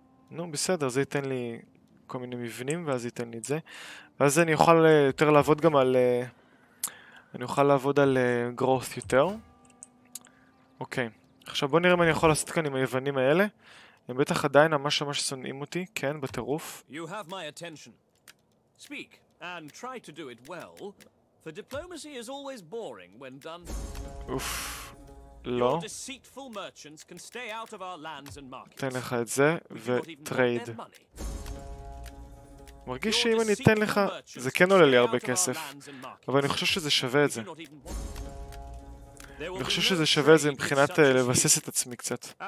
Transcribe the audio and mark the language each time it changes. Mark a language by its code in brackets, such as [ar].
[he] נו, בסדר, זה ייתן לי כל מיני מבנים ואז ייתן לי את זה. ואז אני אוכל יותר לעבוד גם על... אני אוכל לעבוד על growth יותר. אוקיי, עכשיו בוא נראה מה אני יכול לעשות כאן עם היוונים האלה. הם בטח עדיין ממש ממש שונאים אותי, כן, בטירוף. [en] You have my attention. Speak and try to do it well, for diplomacy is always boring when done. [he] אוף, לא. [en] Your deceitful merchants can stay out of our lands and markets. [he] תן לך את זה וטרייד. מרגיש שאם אני אתן לך, זה כן עולה לי הרבה כסף, אבל אני חושב שזה שווה את זה. אני חושב שזה שווה את זה מבחינת לבסס את עצמי קצת.